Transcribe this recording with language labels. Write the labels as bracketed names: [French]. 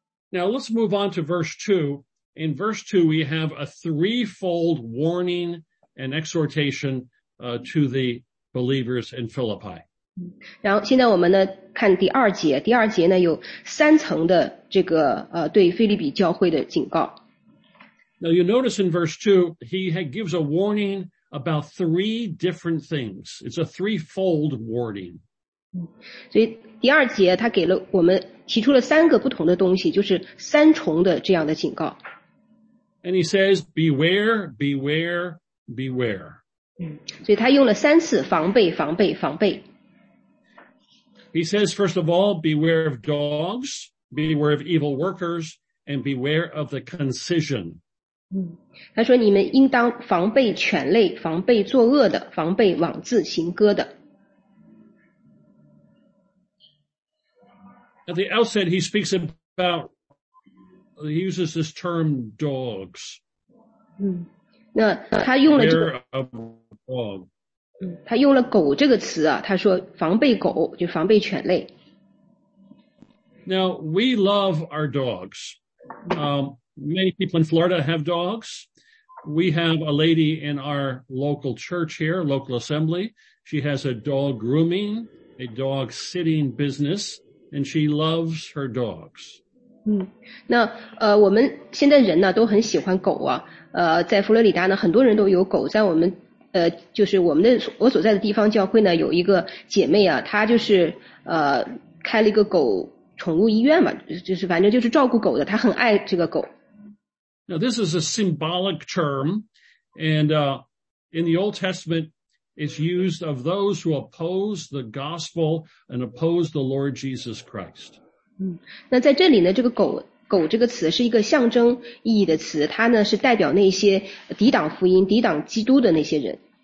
[English] Now let's move on to verse 2, in verse 2, we have a threefold warning and exhortation to the believers in Philippi. [Chinese] 然后现在我们呢看第二节，第二节呢有三层的这个对腓立比教会的警告。 [English] Now you notice in verse 2, he gives a warning about three different things. It's a threefold warning. [Chinese] 所以第二节他给了我们提出了三个不同的东西，就是三重的这样的警告。 [English] And he says, beware, beware, beware. [Chinese] 所以他用了三次，防备，防备，防备。 [English] He says, first of all, beware of dogs, beware of evil workers, and beware of the concision. [Chinese] 他说你们应当防备犬类，防备作恶的，防备枉自行割的。 [English] At the outset, he speaks about, he uses this term dogs. [Chinese] 那他用了这个。 [English] Beware of dogs. [Chinese] 他用了狗这个词啊，他说防备狗，就防备犬类。 [English] Now, we love our dogs. Many people in Florida have dogs. We have a lady in our local church here, local assembly. She has a dog grooming, a dog sitting business, and she loves her dogs. [Chinese] 那我们现在人呢都很喜欢狗啊。在佛罗里达呢很多人都有狗，在我们就是我们的我所在的地方教会呢有一个姐妹啊，她就是开了一个狗宠物医院嘛，就是反正就是照顾狗的，她很爱这个狗。 [English] Now this is a symbolic term, and in the Old Testament it's used of those who oppose the gospel and oppose the Lord Jesus Christ. [Chinese] 那在这里呢这个狗这个词是一个象征意义的词，它呢是代表那些抵挡福音、抵挡基督的那些人。